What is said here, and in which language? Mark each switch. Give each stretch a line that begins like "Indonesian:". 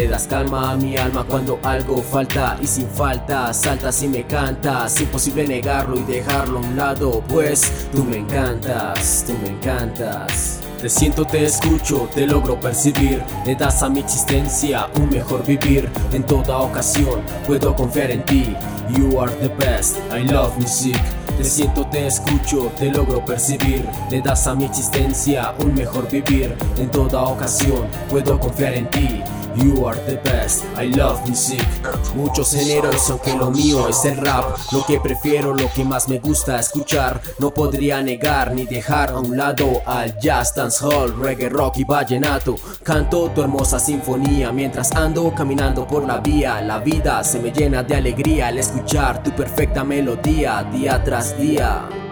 Spanish: Le das calma a mi alma cuando algo falta, y sin falta saltas y me cantas. Imposible negarlo y dejarlo a un lado, pues tú me encantas, tú me encantas. Te siento, te escucho, te logro percibir. Le das a mi existencia un mejor vivir. En toda ocasión puedo confiar en ti.
English: You are the best, I love music.
Spanish: Te siento, te escucho, te logro percibir. Le das a mi existencia un mejor vivir. En toda ocasión puedo confiar en ti.
English: You are the best, I love music.
Spanish: Muchos géneros, aunque lo mío es el rap. Lo que prefiero, lo que más me gusta escuchar. No podría negar ni dejar a un lado al jazz, dancehall, reggae, rock y vallenato. Canto tu hermosa sinfonía mientras ando caminando por la vía. La vida se me llena de alegría al escuchar tu perfecta melodía día tras día.